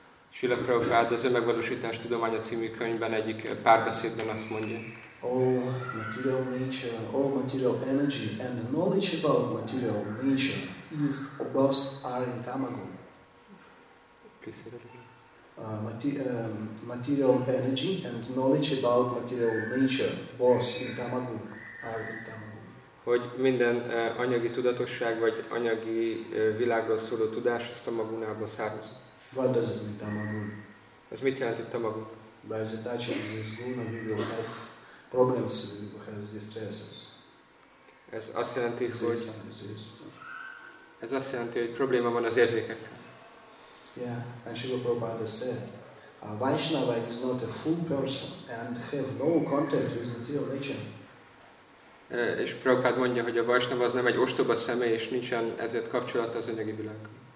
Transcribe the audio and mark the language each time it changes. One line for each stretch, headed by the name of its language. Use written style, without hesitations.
Hungarian: Srila Prabhupada az Önmegvalósítás Tudománya című könyvben egyik párbeszédben azt mondja.
English: All material nature, all material energy and the knowledge about material nature is both are in tamagun. Please say that again. Material energy and knowledge about material nature both in tamagun are in tamagun.
Hungarian: Hogy minden anyagi tudatosság vagy anyagi világról szóló tudás azt a magunából származik.
English: What does it mean, tamagun?
Hungarian: Ez mit jelent, hogy tamagun?
English: By the touch of this guna, we will have problems, we will have distresses.
Hungarian: Ez azt jelenti, hogy... Ez azt jelenti, hogy probléma van az érzékekkel.
English: Yeah, and Srila Prabhupada said, a Vaishnava is not a full person and have no contact with material nature.
Hungarian: És Prabhupád mondja, hogy a Vaishnava az nem egy ostoba személy, és nincsen ezért kapcsolata az anyagi világgal.